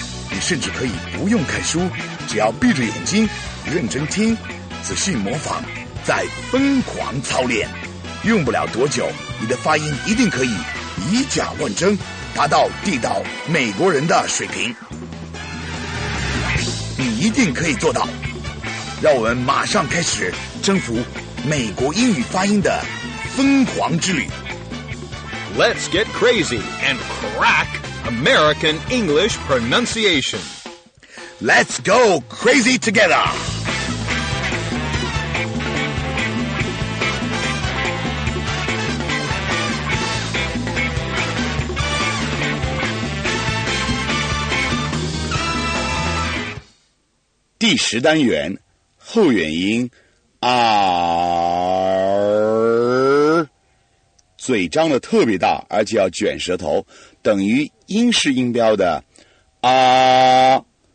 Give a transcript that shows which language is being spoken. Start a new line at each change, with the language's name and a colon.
Chinese: 你甚至可以不用看书只要闭着眼睛认真听仔细模仿再疯狂操练用不了多久你的发音一定可以以假乱真达到地道美国人的水平你一定可以做到让我们马上开始征服美国英语发音的疯狂之旅
English: Let's get crazy and crack American English pronunciation Let's go crazy together
Chinese: 第十单元后元音 R 嘴张得特别大而且要卷舌头等于英式音标的 R